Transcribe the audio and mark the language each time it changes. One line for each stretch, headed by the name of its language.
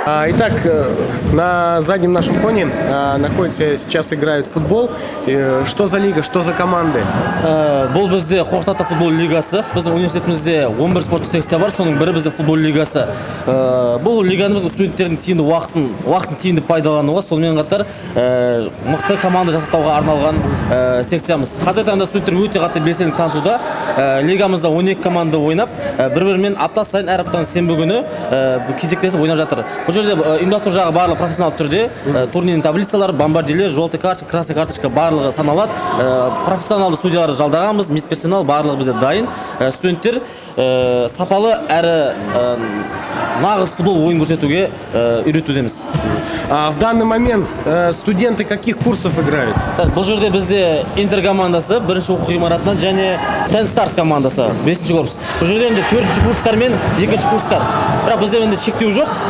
Russian: Итак, на заднем нашем фоне находится сейчас играют в футбол. Что за лига, что за команды?
Kazakh: Бұл бізде Қорқытата футбол лигасы. Біздің университетімізде 11 спорттық секция бар, соның бірі бізде футбол лигасы. Бұл лиганымыз студенттердің тиімді уақытын тиімді пайдалануға, сонымен қатар мықты команда жасақтауға арналған секциямыз. Қазіргі таңда студенттер өте қатты белсенділік танытуда. Лигамызда 12 команда ойнап, бір-бірімен апта сайын әр аптаның сенбі күні кезектесіп ойнап жатыр. Бұл жерде ұйымдастыру жағы барлығы профессионал түрде, турнирдің таблицалары, бомбардирлер, жолты карточка,
Russian: красный карточка
Kazakh: барлығы саналады. Профессионалды судьяларды жалдағанбыз, медперсонал барлығы бізде дайын. Студенттер сапалы әрі нағыз футбол ойын көрсетуге үйретудеміз.
Russian: В данный момент студенты каких курсов играют?
Kazakh: Бұл жерде бізде Интер командасы, бірінші оқу ғимаратынан және Тен Старс командасы, 5-ші корпус. Бұл жерде енді 4-ші курстар мен 2-ші курстар. Бірақ бізде енді шектеу жоқ.